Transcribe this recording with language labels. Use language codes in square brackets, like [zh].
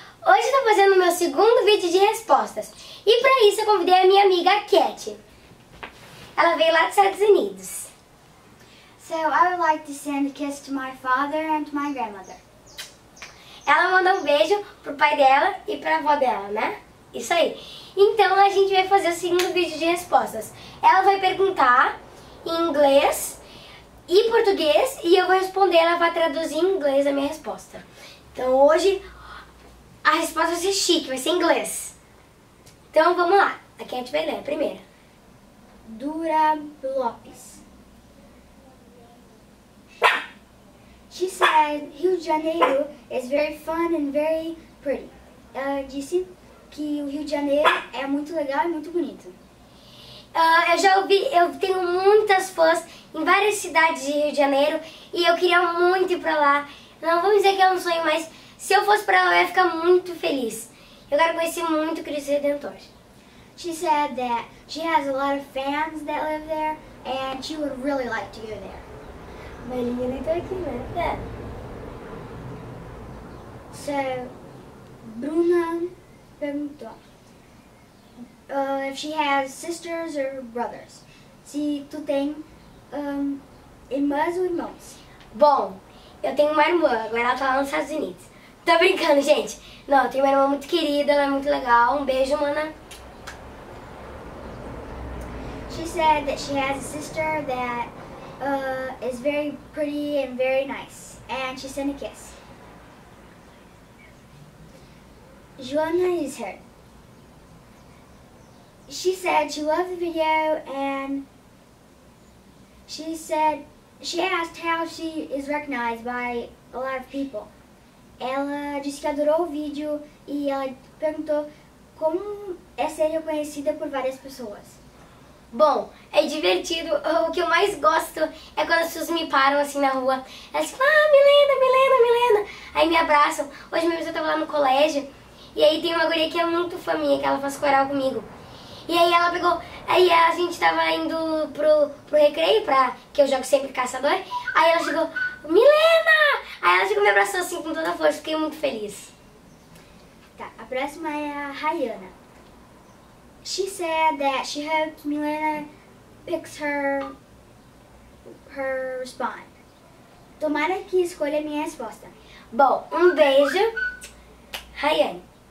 [pt] Hoje eu tô fazendo o meu segundo vídeo de respostas. E pra isso eu convidei a minha amiga Cat. Ela veio lá dos Estados Unidos. [en] So, I would like to send a kiss to my father and to my grandmother. [pt] Ela mandou um beijo pro pai dela e pra avó dela, né? Isso aí. Então a gente vai fazer o segundo vídeo de respostas. Ela vai perguntar em inglês e português e eu vou responder, ela vai traduzir em inglês a minha resposta. Então hoje a resposta vai ser chique, vai ser em inglês. Então vamos lá, aqui a gente vai ler a primeira. Dura Lopes. [en] She said Rio de Janeiro is very fun and very pretty. [pt] Ela disse que o Rio de Janeiro é muito legal e muito bonito. Eu tenho muitas fãs em várias cidades de Rio de Janeiro e eu queria muito ir pra lá. Não vou dizer que é um sonho, mas se eu fosse pra lá eu ia ficar muito feliz. Eu quero conhecer muito Cristo Redentor. [en] She said that she has a lot of fans that live there and she would really like to go there. [pt] Mileninha nem tá aqui, né? É. [en] So, Bruna perguntou if she has sisters or brothers. [pt] Se tu tem irmãs ou irmãos? Bom, eu tenho uma irmã, agora ela tá lá nos Estados Unidos. Tô brincando, gente. Não, eu tenho uma irmã muito querida, ela é muito legal. Um beijo, mana. [en] She said that she has a sister that is very pretty and very nice. And she sent a kiss. Joana is here. She said she loved the video and she said she asked how she is recognized by a lot of people. [pt] Ela disse que adorou o vídeo e ela perguntou como é ser reconhecida por várias pessoas. Bom, é divertido. O que eu mais gosto é quando as pessoas me param assim na rua. Elas falam, ah, Milena, Milena, Milena. Aí me abraçam. Hoje mesmo eu tava lá no colégio. E aí tem uma guria que é muito fã minha, que ela faz coral comigo. E aí ela pegou... Aí a gente tava indo pro recreio, que eu jogo sempre caçador. Aí ela chegou, Milena! Aí ela chegou e me abraçou assim com toda a força. Fiquei muito feliz. Tá, a próxima é a Rayana. [en] She said that she hoped Milena picks her response. [pt] Tomara que escolha minha resposta. Bom, beijo. Rayane.